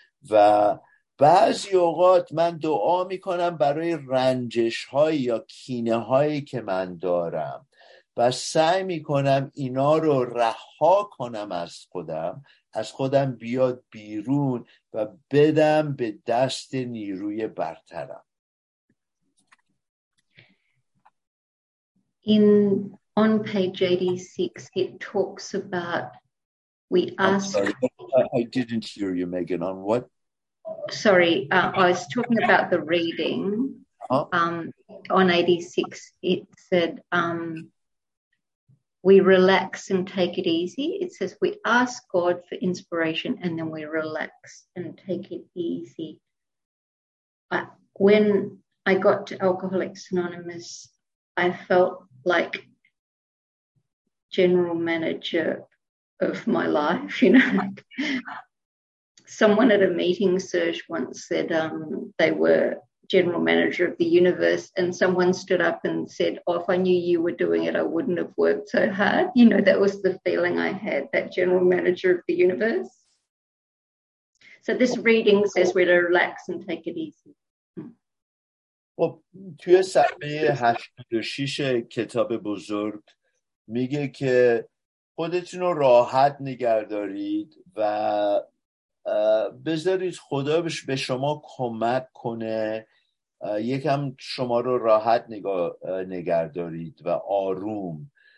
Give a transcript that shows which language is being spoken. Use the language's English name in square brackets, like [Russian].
[Persian] و بعضی اوقات من دعا میکنم برای رنجش هایی یا کینه هایی که من دارم، و سعی میکنم اینا رو رها کنم از خودم، از خودم بیاد بیرون و بدم به دست نیروی برترم. [English] In on page 86 it talks about we ask. I didn't hear you, Megan. On what? Sorry, I was talking about the reading. On 86 it said we relax and take it easy. It says we ask God for inspiration and then we relax and take it easy. When I got to Alcoholics Anonymous, I felt like general manager of my life, you know. Someone at a meeting, Serge, once said they were general manager of the universe, and someone stood up and said, oh, if I knew you were doing it, I wouldn't have worked so hard. You know, that was the feeling I had, that general manager of the universe. So this reading says we're to relax and take it easy. [Persian] خب توی صفحه 86 کتاب بزرگ میگه که خودتون رو راحت نگردارید و بذارید خدا به شما کمک کنه، یکم شما رو راحت نگردارید و آروم.